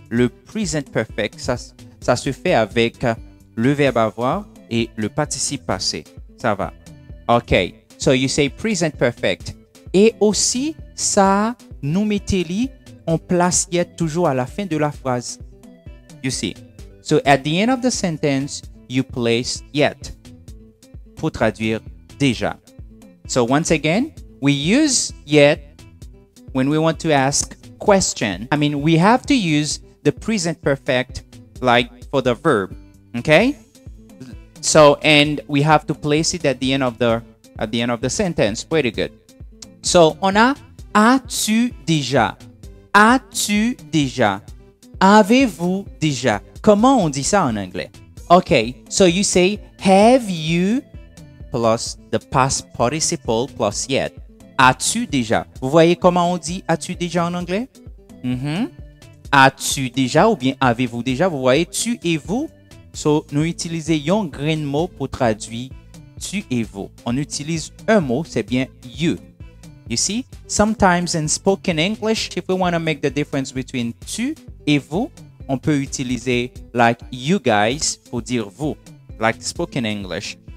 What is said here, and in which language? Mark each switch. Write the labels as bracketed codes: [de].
[fr] Le present perfect, ça se fait avec le verbe avoir et le participe passé. Ça va. OK. [en] So, you say present perfect. [fr] Et aussi, ça, nous mettez-li, on place yet toujours à la fin de la phrase. [en] You see. So, at the end of the sentence, you place yet. [fr] Pour traduire déjà. [en] So, once again, we use yet when we want to ask question. I mean, we have to use the present perfect like for the verb. Okay? So, and we have to place it at the end of the sentence. Pretty good. So, [fr] on a as-tu déjà? As-tu déjà? Avez-vous déjà? Comment on dit ça en anglais? [en] Okay, so you say have you plus the past participle plus yet. [fr] As-tu déjà? Vous voyez comment on dit as-tu déjà en anglais? As-tu déjà ou bien avez-vous déjà? Vous voyez tu et vous? So, nous utilisons un grain mot pour traduire tu et vous. On utilise un mot, c'est bien [en] you. You see, sometimes in spoken English, if we want to make the difference between [fr] tu et vous, on peut utiliser [en] like you guys [fr] pour dire vous, [en] like spoken English.